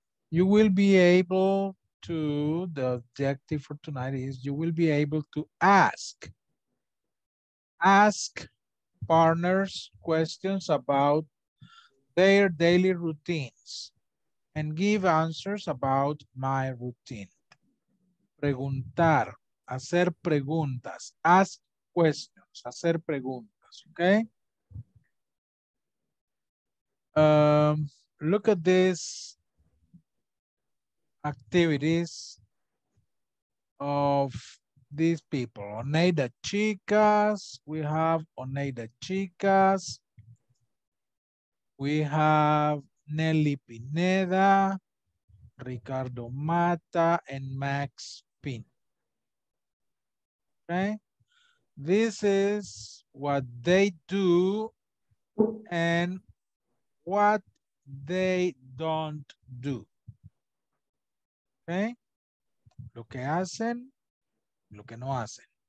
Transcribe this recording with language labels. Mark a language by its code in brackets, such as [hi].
[en] You will be able to, the objective for tonight is you will be able to ask partners questions about their daily routines and give answers about my routine. [es] Preguntar, hacer preguntas, [en] ask questions, [es] hacer preguntas, okay? [en] Look at these activities of these people. Oneida Chicas, we have Oneida Chicas. We have Nelly Pineda, Ricardo Mata, and Max Pin. Okay, this is what they do and what they don't do. [es] Okay, lo que hacen, lo que no hacen.